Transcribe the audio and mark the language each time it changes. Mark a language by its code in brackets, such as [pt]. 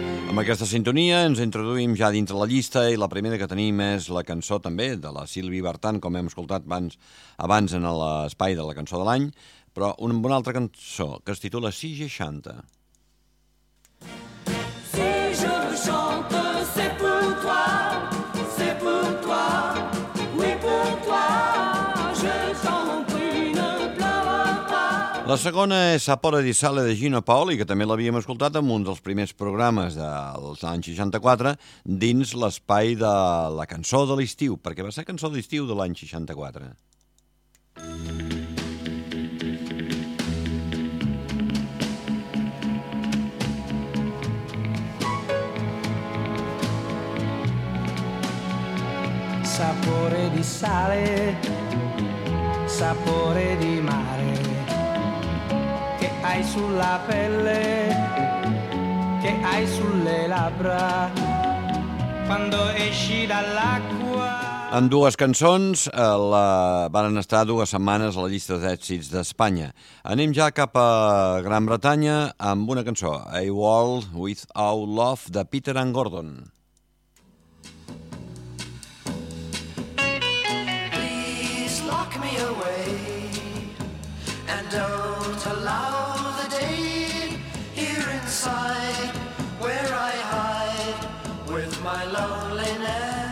[ca] Amb aquesta sintonia ens introduïm ja dins la llista i la primera que tenim és la cançó també de la Sylvie Vartan, com hem escoltat abans en l'espai de la cançó de l'any, però una altra cançó que es titula Si je chante. [fr] Si je chante, c'est pour toi, c'est pour toi, oui pour toi, je chante, ne pleure pas. [ca] La segona és Sapore di sale de Gino Paoli, que també l'havíem escoltat en un dels primers programes dels anys 64 dins l'espai de la cançó de l'estiu, perquè va ser cançó d'estiu de l'any 64. [it] Sapore di sale, sapore di mare, che hai sulla pelle, che hai sulle labbra, quando esci dall'acqua. [ca] amb dues cançons, la varen estar dues setmanes a la llista d'èxits d'Espanya. Anem ja cap a Gran Bretanya amb una cançó, A World Without Love, de Peter and Gordon. [en] Please lock me away and don't allow the day here inside where I hide with my loneliness.